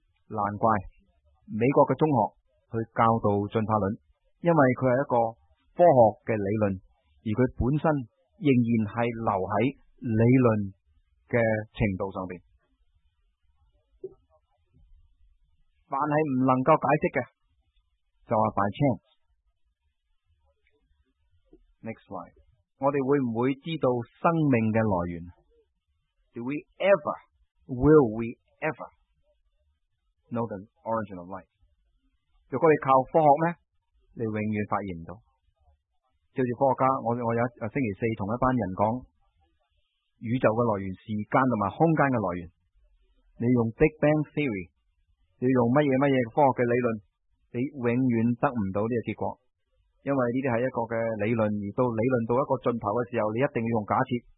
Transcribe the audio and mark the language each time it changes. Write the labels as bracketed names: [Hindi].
[Chinese] 难怪美国的中学去教导进化论，因为它是一个科学的理论，而它本身仍然是留在理论的程度上面。凡是不能够解释的就是 [English] by chance。 Next slide。 [Chinese] 我们会不会知道生命的来源？ [English] Do we ever, will we ever know the origin of life？ [Chinese] 如果你靠科学呢，你永远发现不到。照着科学家，我有一星期四同一班人讲宇宙的来源、时间和空间的来源，你用 Big Bang Theory， 你用什么什么科学的理论，你永远得不到这个结果，因为这些是一个的理论，而到理论到一个尽头的时候，你一定要用假设。